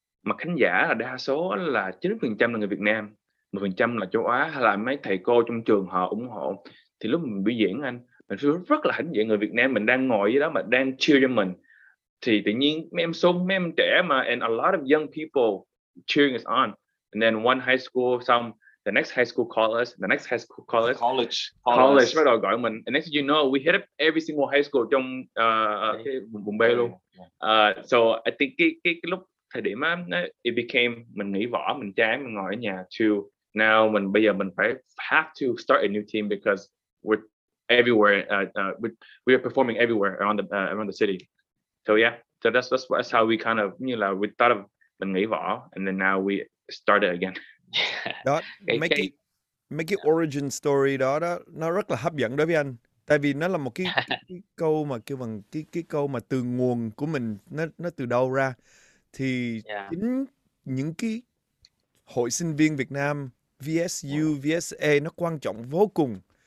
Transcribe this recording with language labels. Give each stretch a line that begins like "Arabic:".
Vietnamese: Mà khán giả là đa số là 90% là người Việt Nam, 10% là châu Á hay là mấy thầy cô trong trường họ ủng hộ. Thì lúc mình biểu diễn anh, mình rất là hãnh diện, người Việt Nam mình đang ngồi dưới đó mà đang cheer cho mình. Thì tự nhiên mấy em số, mấy em trẻ mà, and a lot of young people cheering us on.
English: And then one high school xong, the next high school call us, the next high school call us. College bắt đầu gọi mình. And next you know, we hit up every single high school trong cái vùng Bay luôn. So I think cái lúc thời điểm á, it became, mình nghỉ võ, mình chán, mình ngồi ở nhà, to now mình bây giờ mình phải have to start a new team because we're everywhere, we are performing everywhere around the city. So yeah, so that's how we kind of, you know, we thought of, mình nghỉ võ, and then now we start it again.
Vietnamese: Đó, mấy cái origin story đó, đó nó rất là hấp dẫn đối với anh. Tại vì nó là một cái câu mà kêu bằng cái câu mà từ nguồn của mình, nó từ đâu ra. Thì chính những cái hội sinh viên Việt Nam, VSU, VSA, nó quan trọng vô cùng.